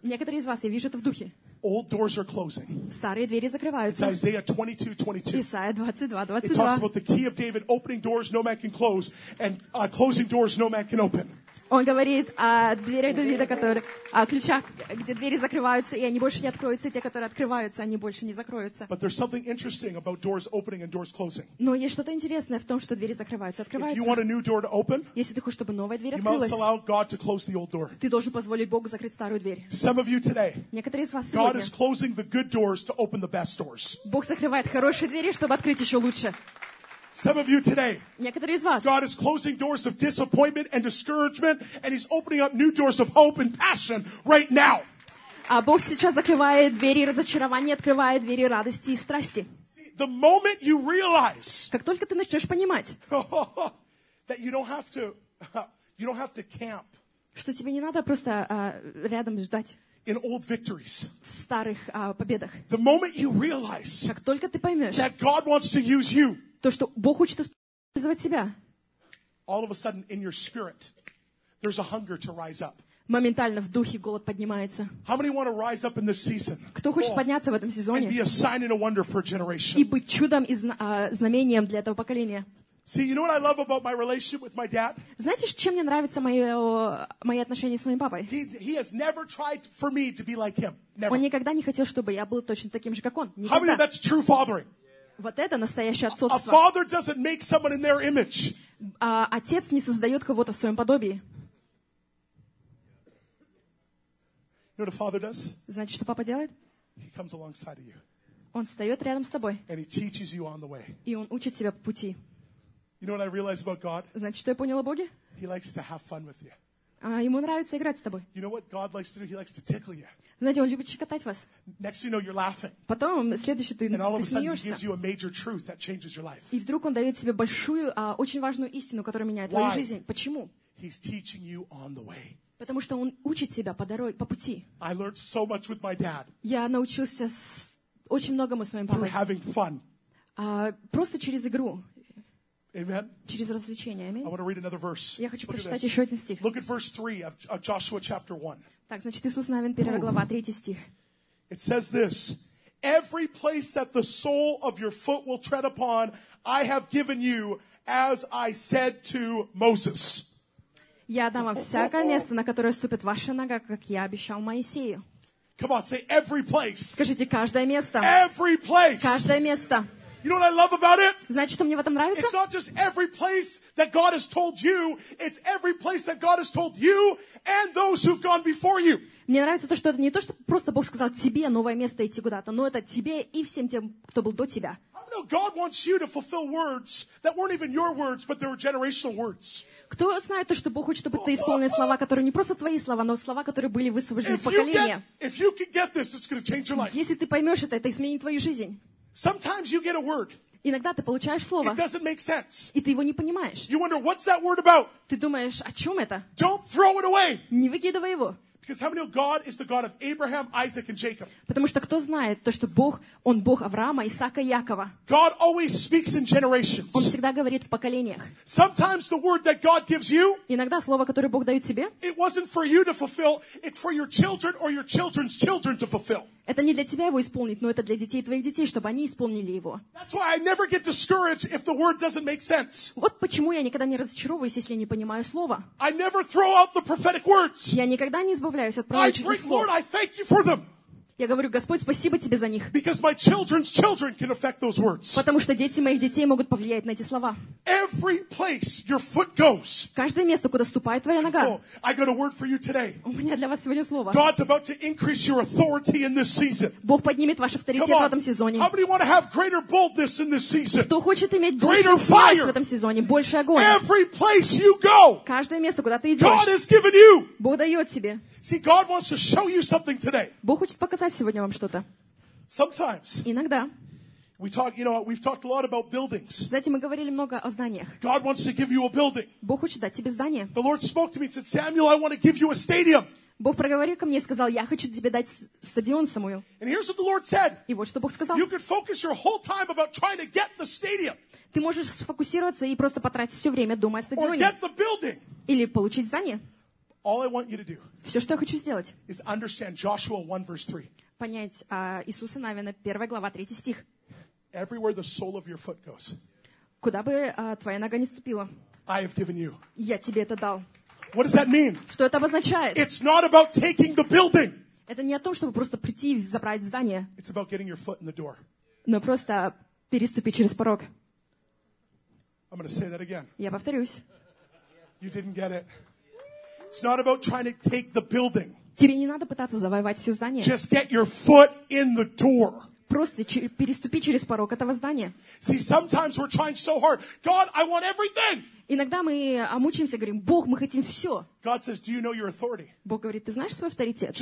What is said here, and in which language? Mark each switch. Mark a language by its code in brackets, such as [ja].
[ru] Некоторые из вас, я вижу это в духе. [en] Old doors are closing. [ru] Старые двери закрываются. [en] It's Isaiah 22:22. [ru] Исайя 22:22. [en] It talks about the key of David opening doors no man can close and closing doors no man can open. [ru] Он говорит о дверях Давида, которые, о ключах, где двери закрываются, и они больше не откроются, и те, которые открываются, они больше не закроются. [en] But there's something interesting about doors opening and doors closing. [ru] Но есть что-то интересное в том, что двери закрываются, открываются. [en] If you want a new door to open, [ru] если ты хочешь, чтобы новая дверь [en] you [ru] открылась, [en] must allow God to close the old door. [ru] Ты должен позволить Богу закрыть старую дверь. [en] Some of you today, [ru] некоторые из вас [en] God is closing the good doors to open the best doors. [ru] Бог закрывает хорошие двери, чтобы открыть еще лучше. [en] Some of you today, [ru] некоторые из вас, [en] God is closing doors of disappointment and discouragement, and He's opening up new doors of hope and passion right now. [ru] А Бог сейчас закрывает двери разочарования, открывает двери радости и страсти. [en] See, the moment you realize, [ru] как только ты начнешь понимать, [en] that you don't have to camp, [ru] что тебе не надо просто рядом ждать. [en] In old victories. [ru] В старых победах. [en] The moment you realize, [ru] как только ты поймешь, [en] that God wants to use you. [ru] То, что Бог хочет использовать себя. [en] All of a sudden, in your spirit, there's a hunger to rise up. [ru] Моментально в духе голод поднимается. [en] How many want to rise up in this season? [ru] Кто хочет подняться в этом сезоне? [en] And be a sign and a wonder for a generation. [ru] И быть чудом и знамением для этого поколения. [en] See, you know what I love about my relationship with my dad? [ru] Знаете, чем мне нравится мои отношения с моим папой? [en] He has never tried for me to be like him. Never. [ru] Он никогда не хотел, чтобы я был точно таким же, как он. Никогда. [en] How many of that's true fathering? [ru] Вот это настоящее отцовство. [en] A father doesn't make someone in their image. [ru] Отец не создает кого-то в своем подобии. [en] You know what a father does? [ru] Знаете, что папа делает? [en] He comes alongside of you. [ru] Он встает рядом с тобой. [en] And he teaches you on the way. [ru] И он учит тебя по пути. [en] You know what I realize about God? [ru] Знаете, что я понял о Боге? [en] He likes to have fun with you. [ru] Ему нравится играть с тобой. [en] You know what God likes to do? He likes to tickle you. [ru] Знаете, он любит щекотать вас. [en] Next you know, you're laughing. [ru] Потом, следующий, ты смеешься. И вдруг он дает тебе большую, очень важную истину, которая меняет [en] Why? [ru] Твою жизнь. Почему? [en] He's teaching you on the way. [ru] Потому что он учит тебя по дороге, по пути. [en] I learned so much with my dad. [ru] Я научился очень многому с моим папой. [en] Through having fun. [ru] Просто через игру. [en] Amen. [ru] Через развлечение. Аминь. [en] I want to read another verse. [ru] Я хочу прочитать еще один стих. [en] Look at verse 3 of Joshua chapter 1. [ru] Так, значит, Иисус Навин, 1 глава, 3 стих. [en] It says this: Every place that the sole of your foot will tread upon, I have given you, as I said to Moses. [ru] Я дам вам всякое место, на которое ступит ваша нога, как я обещал Моисею. [en] Come on, say every place. [ru] Скажите, каждое место. [en] Every place. [ru] Каждое место. [en] You know what I love about it? [ru] Знаете, что мне в этом нравится? [en] It's not just every place that God has told you, it's every place that God has told you and those who've gone before you. [ru] Мне нравится то, что это не то, что просто Бог сказал тебе новое место идти куда-то, но это тебе и всем тем, кто был до тебя. [en] I know God wants you to fulfill words that weren't even your words, but they were generational words. [ru] Кто знает то, что Бог хочет, чтобы ты исполнил слова, которые не просто твои слова, но слова, которые были высвобождены поколения. [en] If you can get this, it's going to change your life. [ru] Если ты поймешь это изменит твою жизнь. [en] Sometimes you get a word. [ru] Иногда ты получаешь слово. [en] It doesn't make sense. [ru] И ты его не понимаешь. [en] You wonder what's that word about? [ru] Ты думаешь, о чем это? [en] Don't throw it away. [ru] Не выкидывай его. [en] Because how many know God is the God of Abraham, Isaac, and Jacob? [ru] Потому что кто знает то, что Бог, он Бог Авраама, Исаака, Якова. [en] God always speaks in generations. [ru] Он всегда говорит в поколениях. [en] Sometimes the word that God gives you. [ru] Иногда слово, которое Бог дает тебе. [en] It wasn't for you to fulfill. It's for your children or your children's children to fulfill. [ru] Это не для тебя его исполнить, но это для детей твоих детей, чтобы они исполнили его. [en] That's why I never get discouraged if the word doesn't make sense. [ru] Вот почему я никогда не разочаровываюсь, если я не понимаю слово. [en] I never throw out the prophetic words. [ru] Я никогда не избавляюсь от пророческих слов. [en] Lord, I thank you for them. [ru] Я говорю, Господь, спасибо тебе за них. [en] Because my children's children can affect those words. [ru] Потому что дети моих детей могут повлиять на эти слова. [en] Every place your foot goes. [ru] Каждое место, куда ступает твоя нога. [en] Oh, I got a word for you today. [ru] У меня для вас сегодня слово. [en] God's about to increase your authority in this season. [ru] Бог поднимет ваш авторитет в этом сезоне. [en] How many want to have greater boldness in this season? [ru] Кто хочет иметь больше смелости в этом сезоне, больше огонь? [en] Every place you go. [ru] Каждое место, куда ты идешь. [en] God has given you. [ru] Бог дает тебе. [en] See, God wants to show you something today. [ru] Бог хочет показать сегодня вам что-то. [en] Sometimes. [ru] Иногда. [en] We talk, you know, we've talked a lot about buildings. [ru] Знаете, мы говорили много о зданиях. [en] God wants to give you a building. [ru] Бог хочет дать тебе здание. [en] The Lord spoke to me and said, Samuel, I want to give you a stadium. [ru] Бог проговорил ко мне и сказал, я хочу тебе дать стадион, Самуил. [en] And here's what the Lord said. [ru] И вот что Бог сказал. [en] You could focus your whole time about trying to get the stadium. [ru] Ты можешь сфокусироваться и просто потратить все время, думая о стадионе. [en] Or get the building. [ru] Или получить здание. [en] All I want you to do. [ru] Все, что я хочу сделать. [en] Is understand Joshua 1 verse 3. [ru] Понять Иисуса Навина, 1 глава, 3 стих. [en] Everywhere the sole of your foot goes. [ru] Куда бы твоя нога ни ступила. [en] I have given you. [ru] Я тебе это дал. [en] What does that mean? [ru] Что это обозначает? [en] It's not about taking the building. [ru] Это не о том, чтобы просто прийти и забрать здание. [en] It's about getting your foot in the door. [ru] Но просто переступить через порог. [en] I'm going to say that again. [ru] Я повторюсь. [en] You didn't get it. It's not about trying to take the building. [ru] Тебе не надо пытаться завоевать все здание. [en] Just get your foot in the door. [ru] Просто переступи через порог этого здания. [en] See, sometimes we're trying so hard. God, I want everything. [ru] Иногда мы мучаемся, говорим: Бог, мы хотим все. [en] God says, do you know your authority? [ru] Бог говорит: ты знаешь свой авторитет?